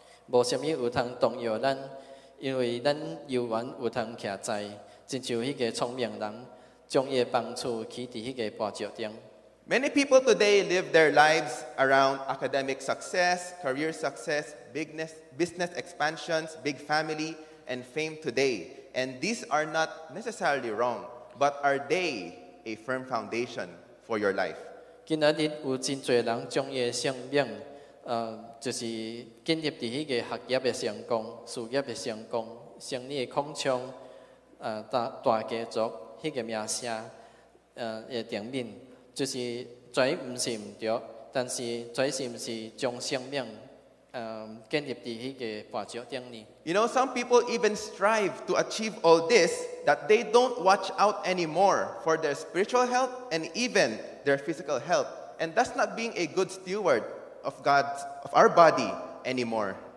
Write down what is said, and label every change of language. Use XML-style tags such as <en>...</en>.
<en>Many people today live their lives around academic success, career success, business expansions, big family, and fame today. and these are not necessarily wrong, but are they a firm foundation for your life?</en> <nan>今天我真多人将伊个生命，就是建立伫迄个学业个成功、事业个成功、生意个扩张，迄个名声，也顶面，就是跩唔是唔对，但是跩是唔是将生命，建立伫迄个发展顶呢？</nan> <en>You know, some people even strive to achieve all this that they don't watch out anymore for their spiritual health and even their physical health. And that's not being a good steward of God's, of our body anymore.</en>